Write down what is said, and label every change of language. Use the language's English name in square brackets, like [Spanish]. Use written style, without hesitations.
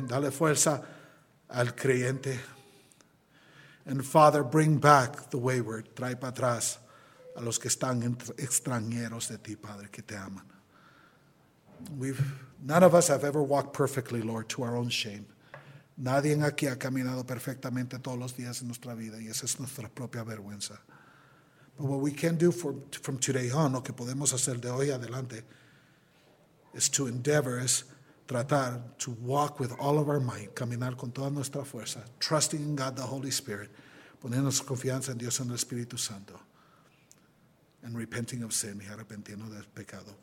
[Spanish] Dale fuerza al creyente. [English] And Father, bring back the wayward. [Spanish] Trae para atrás a los que están extranjeros de ti, Padre, que te aman. [English] None of us have ever walked perfectly, Lord, to our own shame. [Spanish] Nadie aquí ha caminado perfectamente todos los días en nuestra vida, y esa es nuestra propia vergüenza. [English] But what we can do from today on, [Spanish] lo que podemos hacer de hoy adelante, [English] is to endeavor, is tratar to walk with all of our might, [Spanish] caminar con toda nuestra fuerza, [English] trusting in God the Holy Spirit, [Spanish] poniendo nuestra confianza en Dios en el Espíritu Santo, [English] and repenting of sin, [Spanish] y arrepentiendo del pecado.